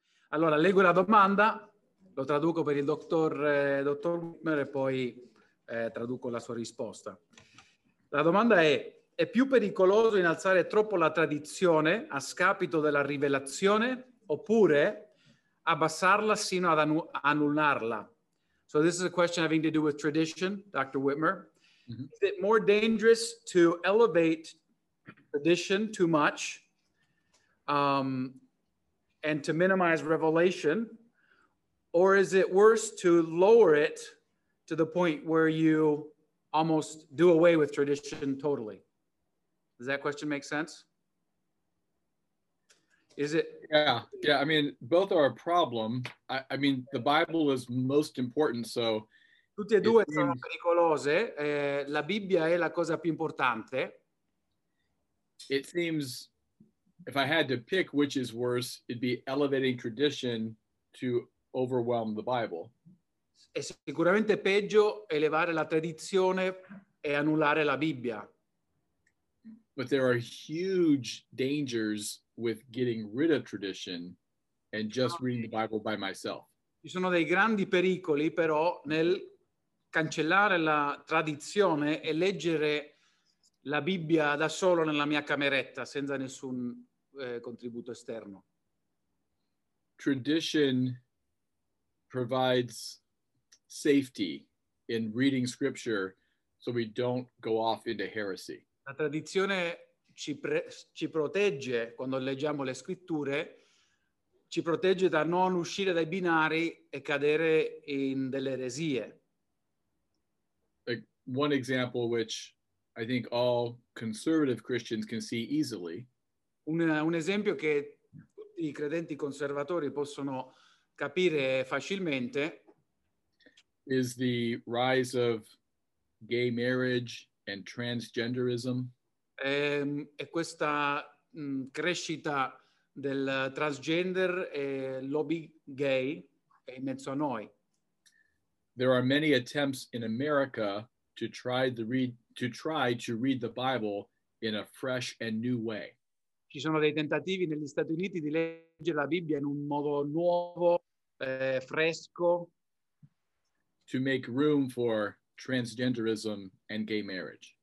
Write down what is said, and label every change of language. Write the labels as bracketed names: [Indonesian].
[Italian] Allora, leggo la domanda, lo traduco per il dottor Wittmer e poi traduco la sua risposta. La domanda è più pericoloso innalzare troppo la tradizione a scapito della rivelazione oppure abbassarla sino ad annullarla? [English] So this is a question having to do with tradition, Dr. Wittmer. Mm-hmm. Is it more dangerous to elevate tradition too much and to minimize revelation, or is it worse to lower it to the point where you almost do away with tradition totally? Does that question make sense? Is it? Yeah. I mean, both are a problem. I mean, the Bible is most important, so. [Italian] Tutte e due sono pericolose. La Bibbia è la cosa più importante. [English] It seems, if I had to pick which is worse, it'd be elevating tradition to overwhelm the Bible. [Italian] È sicuramente peggio elevare la tradizione e annullare la Bibbia. [English] But there are huge dangers with getting rid of tradition and just reading the Bible by myself. [Italian] Ci sono dei grandi pericoli, però, nel cancellare la tradizione e leggere la Bibbia da solo nella mia cameretta, senza nessun contributo esterno. [English] Tradition provides safety in reading scripture so we don't go off into heresy. [Italian] La tradizione ci protegge quando leggiamo le scritture, ci protegge da non uscire dai binari e cadere in delle eresie. [English] One example which I think all conservative Christians can see easily. [Italian] Un esempio che tutti i credenti conservatori possono capire facilmente [English] is the rise of gay marriage and transgenderism. [Italian] È questa crescita del transgender e lobby gay è in mezzo a noi. [English] There are many attempts in America to try to read the Bible in a fresh and new way. [Italian] Ci sono dei tentativi negli Stati Uniti di leggere la Bibbia in un modo nuovo, fresco. [English] To make room for transgenderism and gay marriage.